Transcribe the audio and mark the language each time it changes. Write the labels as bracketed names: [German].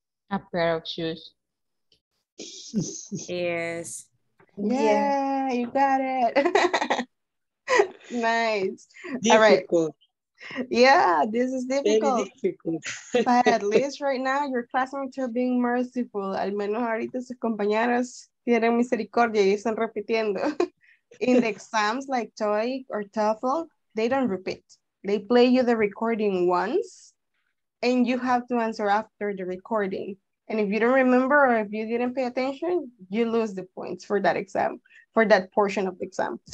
[English] A pair of shoes. Yes. Yeah, yeah, you got it. Nice. Difficult. All right. Yeah, this is difficult. Very difficult. But at least right now, your classmates are being merciful. [Spanish] Al menos ahorita sus compañeras tienen misericordia y están repitiendo. [English] In the exams like TOEIC or TOEFL, they don't repeat. They play you the recording once, and you have to answer after the recording. And if you don't remember or if you didn't pay attention, you lose the points for that exam, for that portion of the exam.